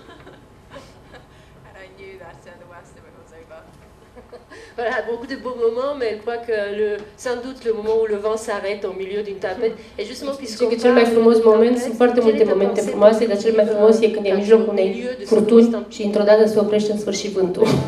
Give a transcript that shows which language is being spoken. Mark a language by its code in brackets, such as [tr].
[en] And I knew that the worst of it was over. [fr] Voilà, beaucoup de beaux moments, mais je crois que sans doute le moment où le vent s'arrête au milieu d'une tempête. Et justement, puisque c'est le plus beau moment, c'est [ro] foarte multe momente frumoase, dar cel mai frumos e când e în mijlocul unei furtuni și într-o dată se oprește în sfârșit vântul.